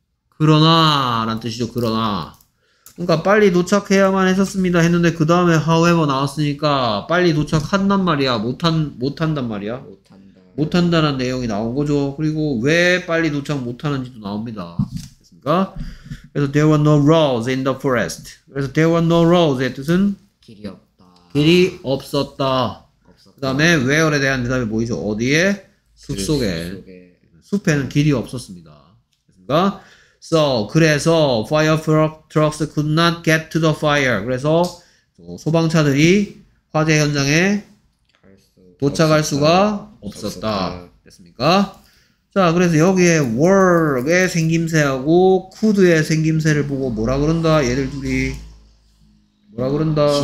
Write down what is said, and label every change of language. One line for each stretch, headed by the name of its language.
Korean: 그러나 라는 뜻이죠. 그러나. 그러니까 빨리 도착해야만 했었습니다 했는데 그 다음에 however 나왔으니까 빨리 도착한단 말이야. 못한단 말이야. 못한다는 내용이 나온 거죠. 그리고 왜 빨리 도착 못하는지도 나옵니다. 됐습니까? 그래서
English: there were no roads in the forest.
Korean: 그래서
English: there were no roads
Korean: 의 뜻은 길이 없다. 길이 없었다. 없었다. 그 다음에 where에 대한 대답이 보이죠? 어디에? 숲속에. 숲에는 길이 없었습니다. 됐습니까?
English: So,
Korean: 그래서
English: fire trucks could not get to the fire.
Korean: 그래서 소방차들이 화재 현장에 도착할 수가 없었다. 됐습니까? 자, 그래서 여기에 work의 생김새하고 could의 생김새를 보고 뭐라 그런다? 얘들 둘이 뭐라 그런다?